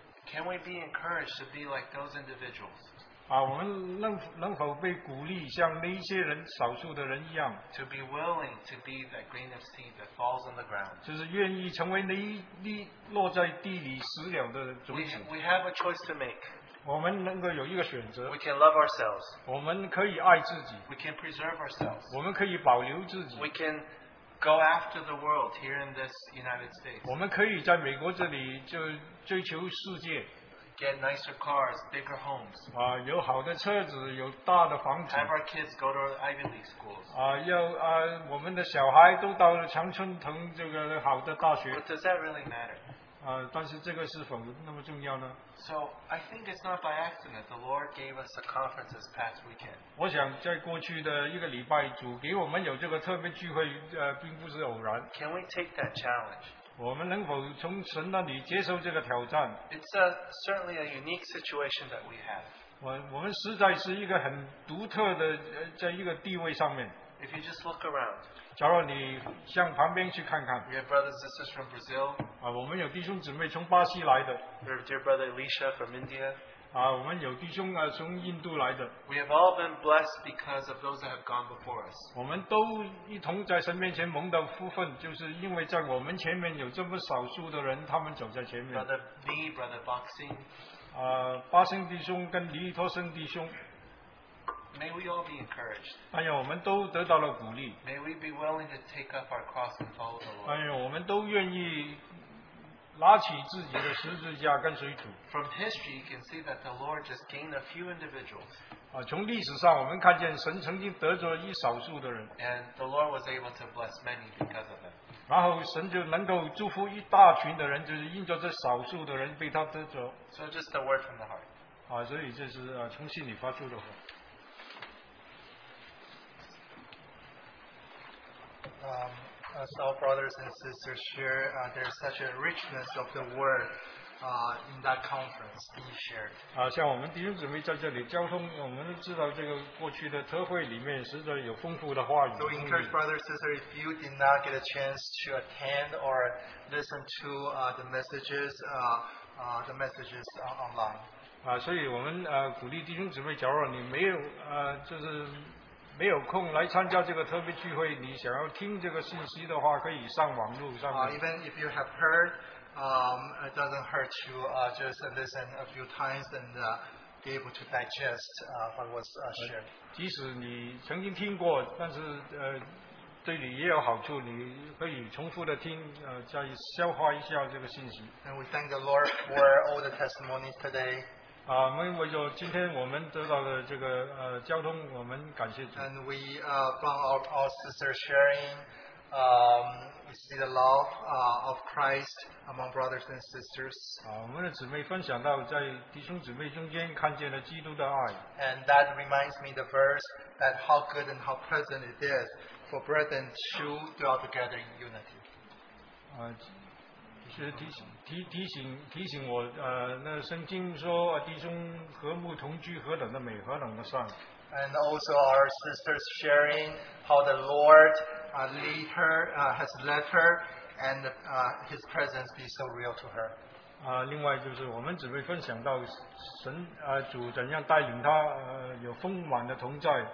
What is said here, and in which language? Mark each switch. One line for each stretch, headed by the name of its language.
English: Can we be encouraged to be like those individuals?
Chinese: 我们能否被鼓励像那些人少数的人一样
English: ？To be willing to be that grain of seed that falls on the ground.
Chinese: 就是愿意成为那一粒落在地里死了的种子。
English: We have a choice to make.
Chinese: 我们能够有一个选择。
English: We can love ourselves.
Chinese: 我们可以爱自己。
English: We can preserve ourselves.
Chinese: 我们可以保留自己。
English: We can go after the world here in this United States.
Chinese: 我们可以在美国这里就追求世界。
English: Get nicer cars, bigger homes.
Chinese: 有好的车子，有大的房子。
English: Have our kids go to Ivy League schools.
Chinese: 我们的小孩都到了常春藤这个好的大学。
English: But does that really matter?
Chinese: 但是这个是否那么重要呢
English: ？So I think it's not by accident the Lord gave us a conference this past weekend.
Chinese: 我想在过去的一个礼拜，主给我们有这个特别聚会，并不是偶然。
English: Can we take that challenge?
Chinese: 我们能否从神那里接受这个挑战
English: ？It's a certainly a unique situation that we have.
Chinese: 我们实在是一个很独特的在一个地位上面。
English: If you just look around.
Chinese: 假如你向旁边去看看。
English: We have brothers and sisters from Brazil.
Chinese: 我们有弟兄姊妹从巴西来的。
English: We have dear brother Alicia from India.
Chinese: 我们有弟兄从印度来的。
English: We have all been blessed because of those that have gone before us.
Chinese: 我们都一同在神面前蒙到福分，就是因为在我们前面有这么少数的人，他们走在前面。
English: Brother Li, brother Boxing.
Chinese: 巴星弟兄跟李托生弟兄。
English: May we all be encouraged.
Chinese: 我们都得到了鼓励。
English: May we be willing to take up our cross and follow the Lord.
Chinese: 我们都愿意拉起自己的十字架跟随主。
English: From history, you can see that the Lord just gained a few individuals.
Chinese: 从历史上我们看见神曾经得着一少数的人。
English: And the Lord was able to bless many because of them.
Chinese: 然后神就能够祝福一大群的人，就是因着这少数的人被他得着。
English: So just a word from the heart.
Chinese: 所以这是从心里发出的话。
English: As all brothers and sisters share, there's such a richness of the word in that conference he shared.
Chinese: 像我们弟兄姊妹在这里交通，我们知道这个过去的特会里面实在有丰富的话语。
English: So encourage brothers and sisters, if you did not get a chance to attend or listen to the messages online.
Chinese: 所以我们鼓励弟兄姊妹，假如你没有就是。没有空来参加这个特别聚会，你想要听这个信息的话，可以上网络上面。
English: Even if you have heard, it doesn't hurt to just listen a few times and be able to digest what was shared.
Chinese: 即使你曾经听过，但是对你也有好处，你可以重复的听，再消化一下这个信息。
English: And we thank the Lord for all the testimonies today.
Chinese: 啊，我们为着今天我们得到的这个交通，我们感谢主。
English: And we from our sister sharing, We see the love of Christ among brothers and sisters.
Chinese: 我们的姊妹分享到在弟兄姊妹中间看见了基督的爱。
English: And that reminds me the verse that how good and how pleasant it is for brethren to dwell together in unity.
Chinese: 其实提醒我 那圣经说 弟兄和睦同居何等的美 何等的善。
English: And also our sisters sharing how the Lord lead her, has led her, and his presence be so real to her.
Chinese: 另外就是我们只会分享到神, 主怎样带领她, 有丰满的同在。